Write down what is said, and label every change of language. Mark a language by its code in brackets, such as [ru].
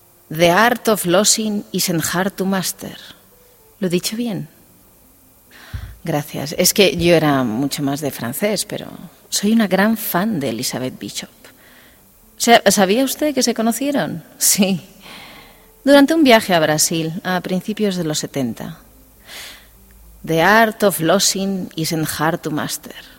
[en] The art of losing isn't hard to master. [es] ¿Lo he dicho bien? Gracias. Es que yo era mucho más de francés, pero soy una gran fan de Elizabeth Bishop. ¿Sabía usted que se conocieron? Sí. Durante un viaje a Brasil, a principios de los 70. [en] The art of losing isn't hard to master.